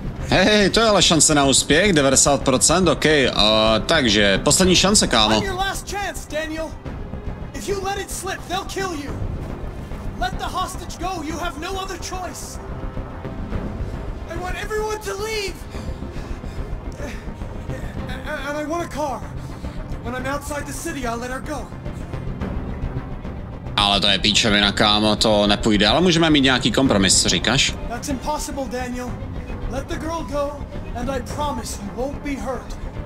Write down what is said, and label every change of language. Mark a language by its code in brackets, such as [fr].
[cs] Hey, to je ale šance na úspěch, 90%, ok. Takže, poslední šance, kámo. [en] I'm your last chance, Daniel. You let it slip, they'll kill you. Let the hostage go, you have no other choice. want everyone to leave. And I want a car. When I'm outside the city, I'll let her go. [cs] Ale to je píčovina, kámo, to nepůjde, ale můžeme mít nějaký kompromis, říkáš? [en] That's impossible, Daniel. Let the girl go, and I promise you won't be hurt.